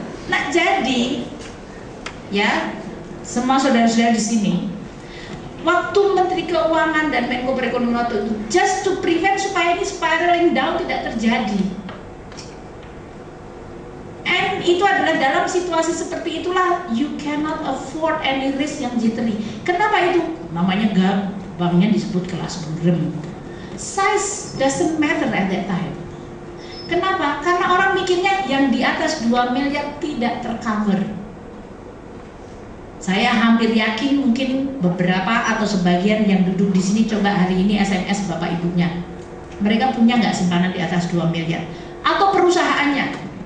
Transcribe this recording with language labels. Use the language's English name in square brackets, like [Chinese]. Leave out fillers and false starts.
[Indonesian] Nah jadi ya, semua saudara-saudara di sini, waktu Menteri Keuangan dan Menko Perekonomian waktu itu, [English] just to prevent [Indonesian] supaya ini [English] spiraling down [Indonesian] tidak terjadi. And itu adalah dalam situasi seperti itulah, [English] you cannot afford any risk [Indonesian] yang jittery. Kenapa itu? Namanya gap, banknya disebut kelas bergerem. [English] Size doesn't matter at that time. [Indonesian] Kenapa? Karena orang mikirnya yang di atas 2 miliar tidak tercover. Saya hampir yakin mungkin beberapa atau sebagian yang duduk di sini coba hari ini SMS bapak ibunya. Mereka punya nggak simpanan di atas 2 miliar? Atau perusahaannya?